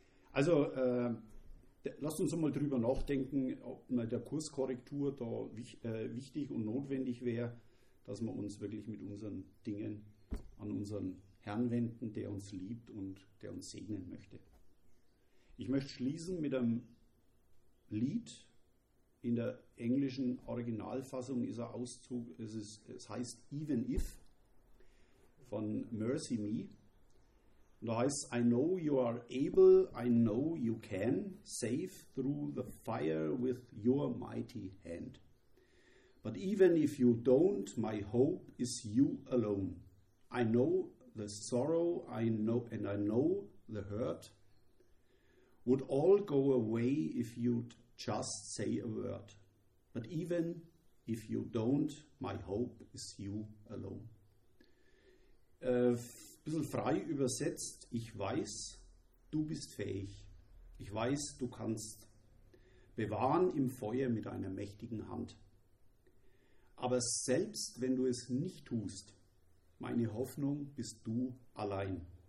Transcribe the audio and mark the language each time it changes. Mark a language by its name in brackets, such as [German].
[German] Also lasst uns mal drüber nachdenken, ob mal der Kurskorrektur da wichtig und notwendig wäre, dass wir uns wirklich mit unseren Dingen an unseren Herrn wenden, der uns liebt und der uns segnen möchte. Ich möchte schließen mit einem Lied. In der englischen Originalfassung ist ein Auszug, es heißt Even If von Mercy Me. Und da heißt es, [English] I know you are able, I know you can save through the fire with your mighty hand. But even if you don't, my hope is you alone. I know the sorrow, and I know the hurt would all go away if you'd just say a word. But even if you don't, my hope is you alone. [German] Bisschen frei übersetzt, ich weiß, du bist fähig. Ich weiß, du kannst bewahren im Feuer mit einer mächtigen Hand. Aber selbst wenn du es nicht tust, meine Hoffnung bist du allein.